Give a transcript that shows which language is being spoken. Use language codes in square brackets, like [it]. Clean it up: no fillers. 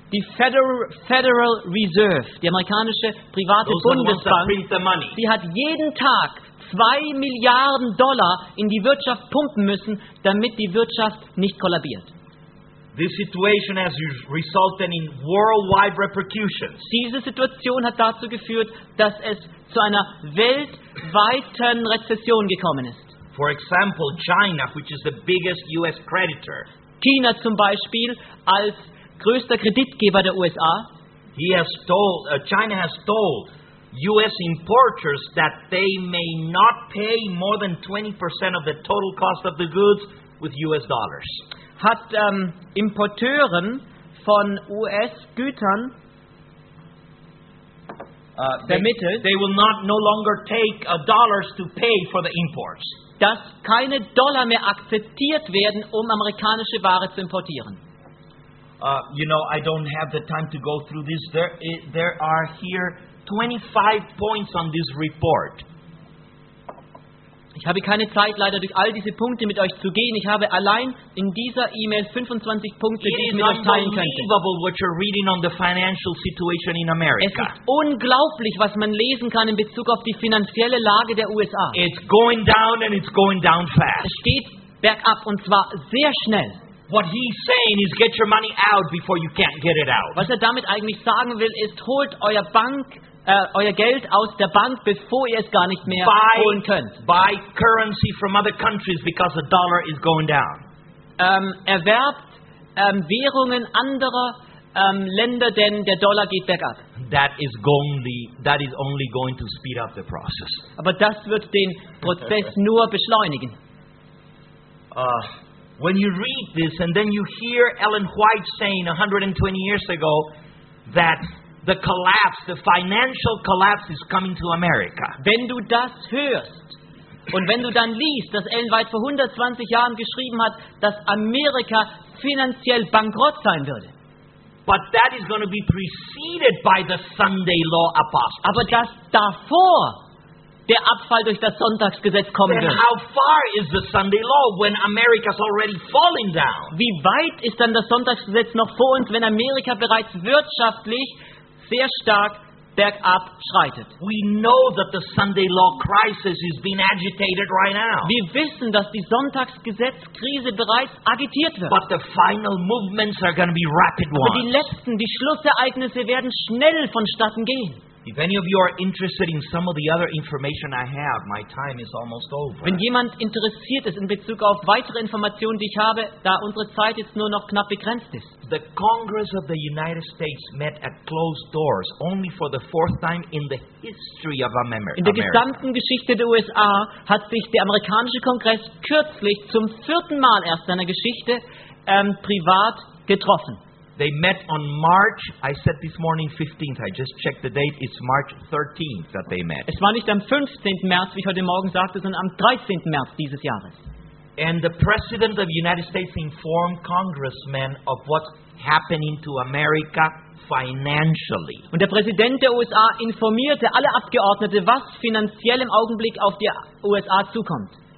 [de] Die Federal Reserve, die amerikanische private Bundesbank, sie hat jeden Tag 2 Milliarden Dollar in die Wirtschaft pumpen müssen, damit die Wirtschaft nicht kollabiert. [en] This situation has resulted in worldwide repercussions. [de] Diese Situation hat dazu geführt, dass es zu einer weltweiten Rezession gekommen ist. [en] For example, China, which is the biggest US creditor. [de] China zum Beispiel als größter Kreditgeber der USA. [en] China has told U.S. importers that they may not pay more than 20% of the total cost of the goods with U.S. dollars. [de] Hat Importeuren von US-Gütern vermittelt, [en] they will not no longer take dollars to pay for the imports. [de] Dass keine Dollar mehr akzeptiert werden, um amerikanische Ware zu importieren. [en] You know, I don't have the time to go through this. There are here 25 points on this report. [de] Ich habe keine Zeit, leider durch all diese Punkte mit euch zu gehen. Ich habe allein in dieser E-Mail 25 Punkte, die ich mit euch teilen könnte. [en] It is unbelievable what you're reading on the financial situation in America. [de] Es ist unglaublich, was man lesen kann in Bezug auf die finanzielle Lage der USA. [en] It's going down and it's going down fast. [de] Es geht bergab und zwar sehr schnell. [en] What he's saying is get your money out before you can't get it out. [de] Was er damit eigentlich sagen will, ist holt euer Bank euer Geld aus der Bank, bevor ihr es gar nicht mehr holen könnt. [en] Buy currency from other countries because the dollar is going down. [de] Erwerbt Währungen anderer Länder, denn der Dollar geht bergab. [en] that is only going to speed up the process. [de] Aber das wird den Prozess nur beschleunigen. [en] When you read this and then you hear Ellen White saying 120 years ago that the collapse, the financial collapse is coming to America. [de] Wenn du das hörst und wenn du dann liest, dass Ellen White vor 120 Jahren geschrieben hat, dass Amerika finanziell bankrott sein würde. [en] But that is going to be preceded by the Sunday law apostasy. [de] Aber das davor der Abfall durch das Sonntagsgesetz kommen wird. [en] Then how far is the Sunday law when America's already falling down? [de] Wie weit ist dann das Sonntagsgesetz noch vor uns, wenn Amerika bereits wirtschaftlich sehr stark bergab schreitet? [en] We know that the Sunday law crisis is being agitated right now. [de] Wir wissen, dass die Sonntagsgesetzkrise bereits agitiert wird. [en] But the final movements are going to be rapid ones. [de] Aber die letzten, die Schlussereignisse werden schnell vonstatten gehen. [en] If any of you are interested in some of the other information I have, my time is almost over. [de] Wenn jemand interessiert ist in Bezug auf weitere Informationen, die ich habe, da unsere Zeit jetzt nur noch knapp begrenzt ist. [en] The Congress of the United States met at closed doors only for the fourth time in the history of America. [de] In der gesamten Geschichte der USA hat sich der amerikanische Kongress kürzlich zum vierten Mal erst seiner Geschichte privat getroffen. [en] They met on March, I said this morning 15th, I just checked the date, it's March 13th that they met. [de] Es war nicht am 15. März, wie ich heute Morgen sagte, sondern am 13. März dieses Jahres. [en] And the President of the United States informed congressmen of what's happening to America financially. [de] Und der Präsident der USA informierte alle Abgeordnete, was finanziell im Augenblick auf die USA zukommt.